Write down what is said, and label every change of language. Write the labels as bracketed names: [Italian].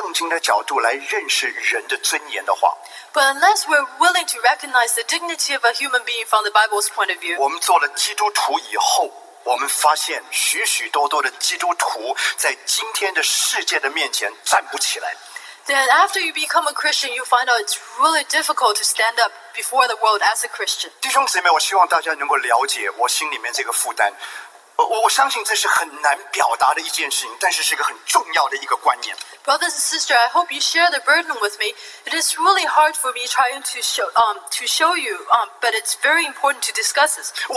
[Chinese] 但是如果我们没有真的从圣经的角度来认识人的尊严的话， [English] But unless we're willing to recognize the dignity of a human being from the Bible's point of view, [Chinese] 我们做了基督徒以后， 我们发现许许多多的基督徒在今天的世界的面前站不起来。 [English] Then after you become a Christian, you find out it's really difficult to stand up before the world as a Christian. [Chinese] 弟兄姊妹，我希望大家能够了解我心里面这个负担。我相信这是很难表达的一件事情，但是是一个很重要的一个观念。 [English] Brothers and sisters, I hope you share the burden with me. It is really hard for me trying to show you, but it's very important to discuss this.